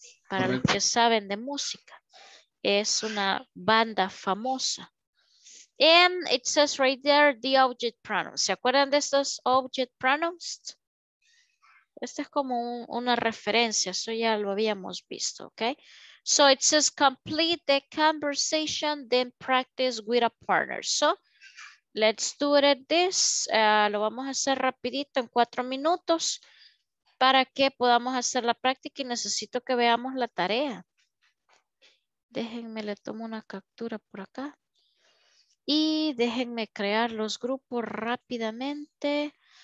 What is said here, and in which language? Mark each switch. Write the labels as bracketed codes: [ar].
[es] Para los que saben de música, es una banda famosa. [en] And it says right there, the object pronouns. [es] ¿Se acuerdan de estos object pronouns? Este es como un, una referencia, eso ya lo habíamos visto, okay? [en] So it says complete the conversation, then practice with a partner. So let's do it at this. [es] Lo vamos a hacer rapidito en 4 minutos para que podamos hacer la práctica y necesito que veamos la tarea. Déjenme, le tomo una captura por acá. Y déjenme crear los grupos rápidamente.